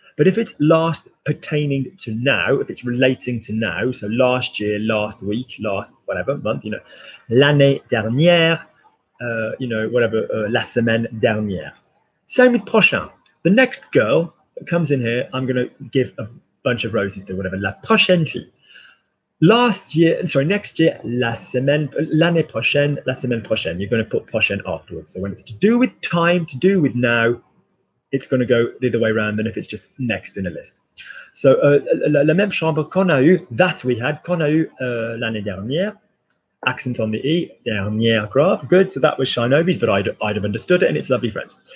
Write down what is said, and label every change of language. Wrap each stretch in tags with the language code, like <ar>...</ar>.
<en>But if it's last pertaining to now, if it's relating to now, so last year, last week, last whatever month, you know,</en> <fr>l'année dernière. La semaine dernière.</fr> <en>Same with</en> <fr>prochain.</fr> <en>The next girl that comes in here, I'm going to give a bunch of roses to, whatever.</en> <fr>La prochaine fille.</fr> <en>Next year,</en> <fr>la semaine, l'année prochaine, la semaine prochaine.</fr> <en>You're going to put prochaine afterwards. So when it's to do with time, to do with now, it's going to go the other way around than if it's just next in a list.</en> <fr>So la même chambre qu'on a eu,</fr> <en>that we had,</en> <fr>qu'on a eu l'année dernière.</fr> <en>Accent on the E, dernière grave. Good, so that was Shinobi's, but I'd have understood it, and it's lovely French.</en>